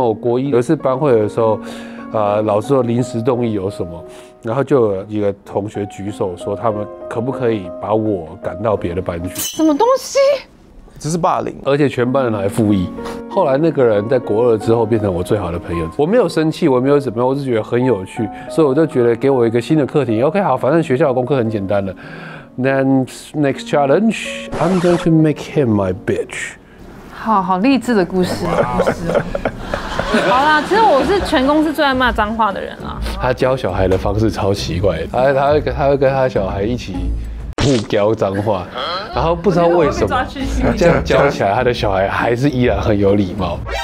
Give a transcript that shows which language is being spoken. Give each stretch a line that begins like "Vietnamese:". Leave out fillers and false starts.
Chinese: 我国一有一次班会的时候，老师说临时动议有什么，然后就有一个同学举手说他们可不可以把我赶到别的班去。什么东西？这是霸凌，而且全班人还附议。后来那个人在国二之后变成我最好的朋友。我没有生气，我没有怎么样，我是觉得很有趣，所以我就觉得给我一个新的课题。 OK， 好，反正学校的功课很简单的。
English: Then next challenge I'm going to make him my bitch。
Chinese: 好好励志的故事，老师。好啦，其实我是全公司最爱骂脏话的人啦。他教小孩的方式超奇怪的，他会跟他小孩一起互教脏话，然后不知道为什么这样教起来，他的小孩还是依然很有礼貌。